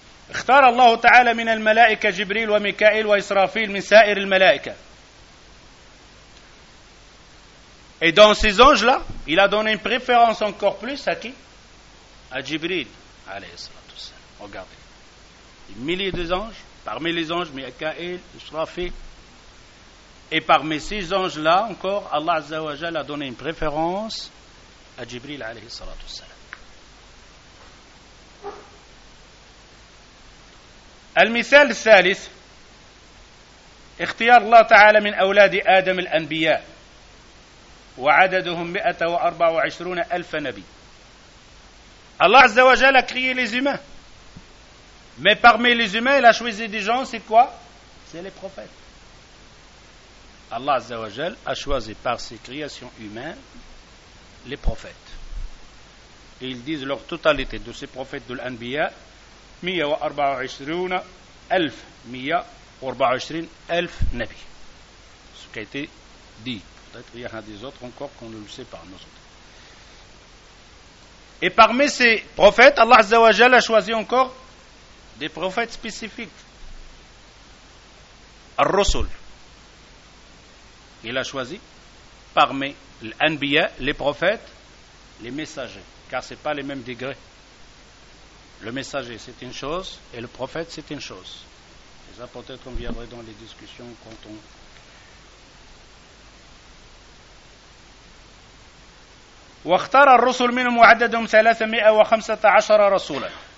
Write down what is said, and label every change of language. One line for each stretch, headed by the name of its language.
Arabic: اختار الله تعالى من الملائكة جبريل وميكائيل وإسرافيل من سائر الملائكة.
French: Et dans ces anges-là, il a donné une préférence encore plus à qui? À Jibril. Allez, salatou salam. Regardez. Des milliers d'anges, parmi les anges, Mikaël, Israfil. Et parmi ces anges-là encore, Allah Azza wa Jal a donné une préférence à Jibril, alayhi salatou salam.
Arabic: المثال الثالث اختيار الله تعالى من أولاد آدم الأنبياء وعددهم 124 ألف نبي.
French: الله عز وجل a créé les humains, mais parmi les humains il a choisi des gens, c'est quoi? C'est les prophètes. الله عز وجل a choisi par ses créations humaines les prophètes. Ils disent leur totalité de ces prophètes de l'Anbiya 124 1000 124 1000 Nabi. Ce qui a été dit. Peut-être qu'il y en a des autres encore qu'on ne le sait pas, nous autres. Et parmi ces prophètes, Allah Azza wa Jal a choisi encore des prophètes spécifiques. Ar-Rusul. Il a choisi parmi l'Anbiya, les prophètes, les messagers. Car ce n'est pas les mêmes degrés. Le messager, c'est une chose, et le prophète, c'est une chose. Et ça, peut-être, on viendra dans les discussions quand on...
Arabic: واختار الرسل منهم وعددهم 315 رسولا.